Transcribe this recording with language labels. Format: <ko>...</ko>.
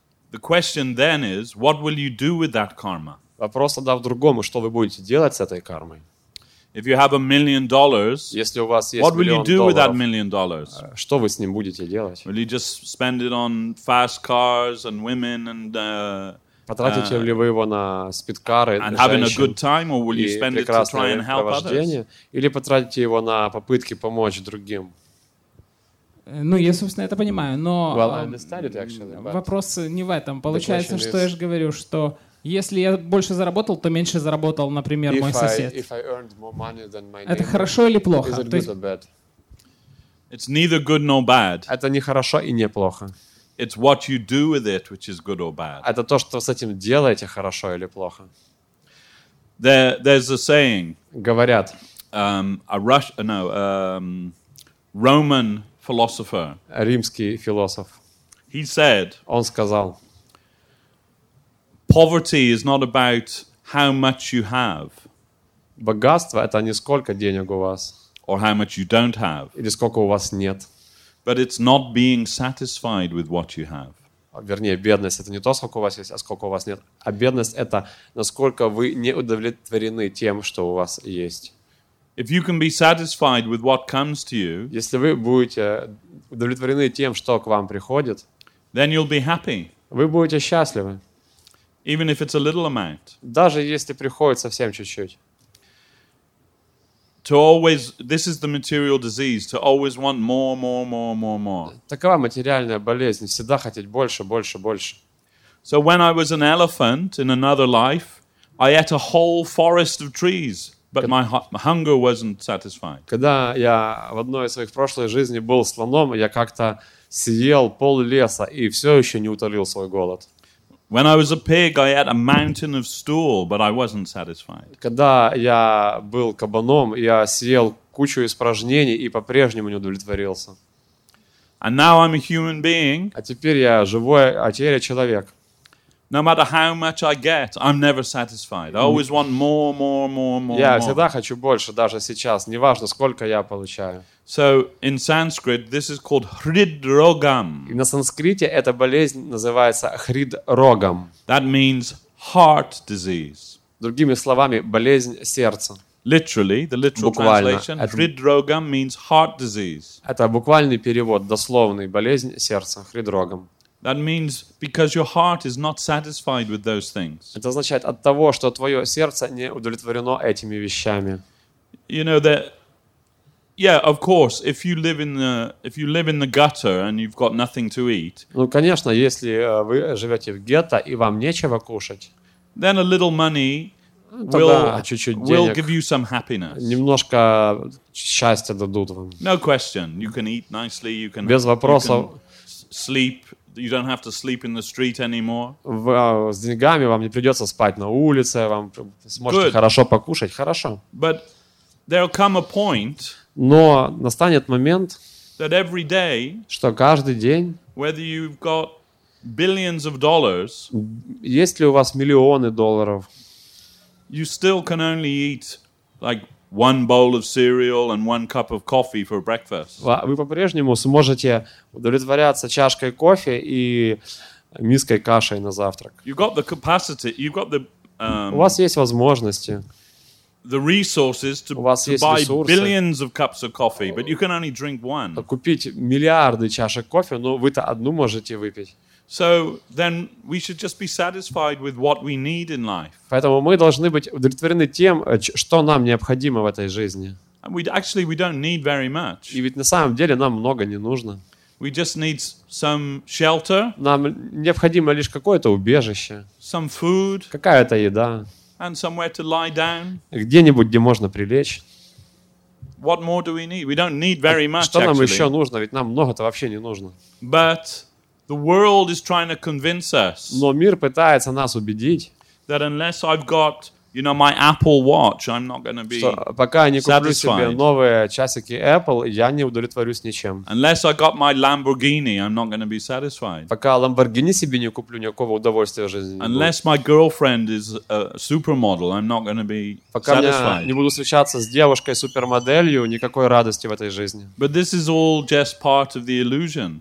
<en>The question then is, what will you do with that karma?</en> <ru>Вопрос тогда в другом, что вы будете делать с этой кармой?</ru> <en>If you have $1 million,</en> <ru>если у вас есть</ru> <en>what will you do</en> <ru>долларов,</ru> <en>with that $1 million?</en> <ru>Что вы с ним будете делать?</ru> <en>Will you just spend it on fast cars and women and</en> <ru>потратите ли вы его на спидкары, на женщин и прекрасное провождение? Или потратите его на попытки помочь другим? Ну, я, собственно, это понимаю, но</ru> <en>well, actually,</en> <ru>вопрос не в этом. Получается, что я же говорю, что если я больше заработал, то меньше заработал, например, мой сосед. Это хорошо или плохо?</ru> <en>It's neither good nor bad.</en> <ru>Это не хорошо и не плохо.</ru> <en>It's what you do with it, which is good or bad.</en> <ru>Это то, что с этим делаете, хорошо или плохо.</ru> <en>There's a saying.</en> <ru>Говорят.</ru> <en>Roman philosopher.</en> <ru>Римский философ.</ru> <en>He said.</en> <ru>Он сказал.</ru> <en>Poverty is not about how much you have.</en> <ru>Богатство — это не сколько денег у вас.</ru> <en>Or how much you don't have.</en> <ru>Или сколько у вас нет.</ru> <en>But it's not being satisfied with what you have.</en> <ru>Вернее, бедность — это не то, сколько у вас есть, а сколько у вас нет. А бедность — это насколько вы не удовлетворены тем, что у вас есть.</ru> <en>If you can be satisfied with what comes to you,</en> <ru>если вы будете удовлетворены тем, что к вам приходит,</ru> <en>then you'll be happy.</en> <ru>Вы будете счастливы.</ru> <en>Even if it's a little amount.</en> <ru>Даже если приходит совсем чуть-чуть.</ru> <en>To always, this is the material disease. To always want more, more, more, more, more.</en> <ru>Такова материальная болезнь. Всегда хотеть больше, больше, больше.</ru> <en>So when I was an elephant in another life, I ate a whole forest of trees, but my hunger wasn't satisfied.</en> <ru>Когда я в одной из своих прошлых жизней был слоном, я как-то съел пол леса и все еще не утолил свой голод.</ru> <en>When I was a pig, I ate a mountain of stool, but I wasn't satisfied.</en> <ru>Когда я был кабаном, я съел кучу испражнений и по-прежнему не удовлетворился.</ru> <en>And now I'm a human being.</en> <ru>А теперь я живой, а теперь я человек.</ru> <en>No matter how much I get, I'm never satisfied. I always want more, more, more, more.</en> <ru>Я всегда хочу больше, даже сейчас, неважно, сколько я получаю.</ru> <en>So in Sanskrit, this is called hridrogam.</en> <ru>И на санскрите эта болезнь называется хридрогам.</ru> <en>That means heart disease.</en> <ru>Другими словами, болезнь сердца.</ru> <en>Literally, the literal</en> <ru>буквально,</ru> <en>translation hridrogam means heart disease.</en> <ru>Это буквальный перевод, дословный, болезнь сердца, хридрогам.</ru> <en>That means because your heart is not satisfied with those things.</en> <ru>Это означает от того, что твое сердце не удовлетворено этими вещами.</ru> <en>You know that. Yeah, of course. If you live in the gutter and you've got nothing to eat.</en> <ru>Ну, конечно, если вы живете в гетто и вам нечего кушать.</ru> <en>Then a little money will give you some happiness.</en> <ru>Немножко счастья дадут вам.</ru> <en>No question. You can eat nicely. You can</en> <ru>без вопросов</ru> <en>sleep. You don't have to sleep in the street anymore.</en> <ru>С деньгами вам не придется спать на улице, вам сможете</ru> <en>Good.</en> <ru>Хорошо покушать, хорошо.</ru> <en>But there'll come a point.</en> <ru>Но настанет момент,</ru> <en>that every day,</en> <ru>что каждый день,</ru> <en>whether you've got billions of dollars,</en> <ru>есть ли у вас миллионы долларов,</ru> <en>you still can only eat like one bowl of cereal and one cup of coffee for breakfast.</en> <ru>Вы по-прежнему сможете удовлетворяться чашкой кофе и миской кашей на завтрак.</ru> <en>You've got the capacity, you've got the,</en> <ru>у вас есть возможности.</ru> <en>The resources to,</en> <ru>у вас есть</ru> <en>to buy</en> <ru>ресурсы.</ru> <en>Billions of cups of coffee, but you can only drink one.</en> <ru>Купить миллиарды чашек кофе, но вы-то одну можете выпить.</ru> <en>So then we should just be satisfied with what we need in life.</en> <ru>Поэтому мы должны быть удовлетворены тем, что нам необходимо в этой жизни.</ru> <en>And we don't need very much.</en> <ru>И ведь на самом деле нам много не нужно.</ru> <en>We just need some shelter.</en> <ru>Нам необходимо лишь какое-то убежище.</ru> <en>Some food.</en> <ru>Какая-то еда.</ru> <en>And somewhere to lie down.</en> <ru>Где-нибудь, где можно прилечь.</ru> <en>What more do we need? We don't need very much.</en> <ru>Что нам еще нужно? Ведь нам много-то вообще не нужно.</ru> <en>But the world is trying to convince us.</en> <ru>Но мир пытается нас убедить.</ru> <en>That unless I've got, you know, my Apple Watch, I'm not going to be satisfied.</en> <ru>Пока я не куплю себе новые часики Apple, я не удовлетворюсь ничем.</ru> <en>Unless I got my Lamborghini, I'm not going to be satisfied.</en> <ru>Пока Lamborghini себе не куплю, никакого удовольствия в жизни не будет.</ru> <en>Unless my girlfriend is a supermodel, I'm not going to be satisfied.</en> <ru>Пока я не буду встречаться с девушкой супермоделью, никакой радости в этой жизни.</ru> <en>But this is all just part of the illusion.</en>